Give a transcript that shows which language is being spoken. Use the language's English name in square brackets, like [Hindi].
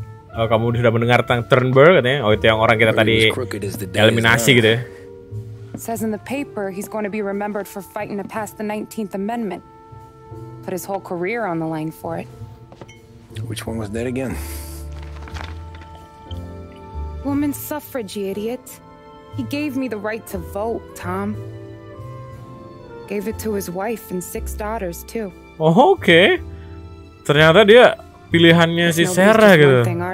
[Indonesian] Oh, kamu sudah mendengar tentang Turnbull katanya? Oh, itu yang orang kita tadi eliminasi gitu ya. [English] Says in the paper he's going to be remembered for fighting to pass the 19th Amendment. Put his whole career on the line for it. Which one was that again? Woman suffrage, you idiot. He gave me the right to vote, Tom. Gave it to his wife and 6 daughters, too. Oh, okay. [Indonesian] Ternyata dia pilihannya si Sarah gitu.